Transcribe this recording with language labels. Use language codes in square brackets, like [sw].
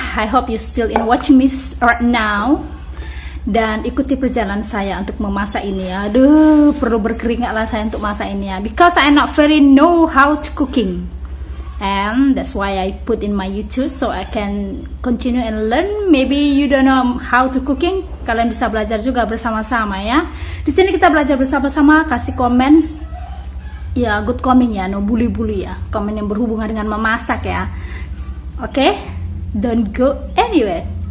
[en] I hope you still in watching me right now. [id] Dan ikuti perjalanan saya untuk memasak ini. Aduh, perlu berkeringat lah saya untuk masak ini ya. [en] Because I not very know how to cooking. And that's why I put in my YouTube so I can continue and learn. Maybe you don't know how to cooking. [id] Kalian bisa belajar juga bersama-sama ya. Di sini kita belajar bersama-sama. Kasih komen. Ya, [en] good coming [id] ya, [en] no bully [id] ya. Komen yang berhubungan dengan memasak ya. Oke, okay? [en] Don't go anywhere.